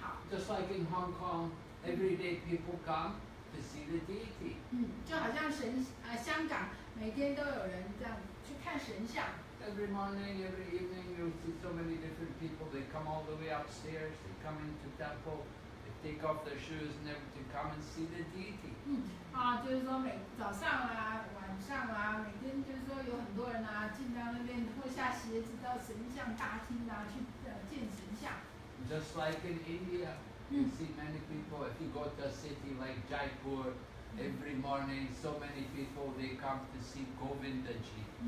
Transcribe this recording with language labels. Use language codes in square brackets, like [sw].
[en] Just like in Hong Kong, everyday people come to see the deity. [zh] 就好像香港每天都有人这样去看神像。 [en] Every morning, every evening, you'll see so many different people. They come all the way upstairs, they come into temple. Take off their shoes and then to come and see the deity. [zh] 就是说早上啊，晚上啊，每天就是说有很多人啊，进到那边脱下鞋子到神像大厅啊，去见神像。 [en] Just like in India, you see many people. If you go to a city like Jaipur, every morning so many people they come to see Govindaji.